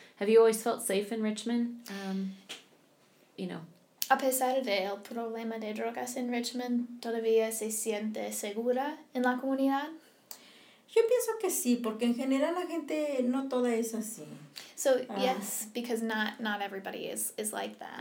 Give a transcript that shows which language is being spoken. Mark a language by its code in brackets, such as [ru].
[en] Have you always felt safe in Richmond? [es] A pesar del problema de drogas en Richmond, todavía se siente segura en la comunidad? Yo pienso que sí, porque en general la gente no toda es así. [en] So, yes, because not everybody is like that.